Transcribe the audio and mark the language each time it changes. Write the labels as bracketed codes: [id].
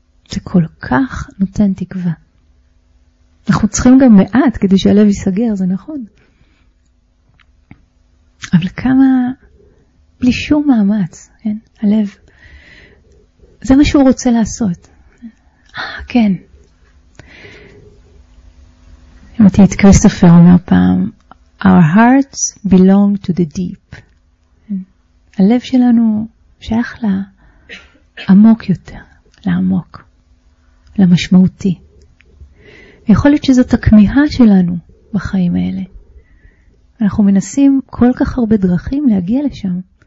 [he] זה כל כך נותן תקווה. אנחנו צריכים גם מעט כדי שהלב ייסגר, זה נכון. אבל כמה, בלי שום מאמץ, כן? הלב, זה מה שהוא רוצה לעשות. כן. אמרתי את קריסטופר אומר פעם, [en] Our hearts belong to the deep. [he] הלב שלנו שייך לעמוק יותר, לעמוק. למשמעותי. יכול להיות שזאת הכמיהה שלנו בחיים האלה. אנחנו מנסים כל כך הרבה דרכים להגיע לשם.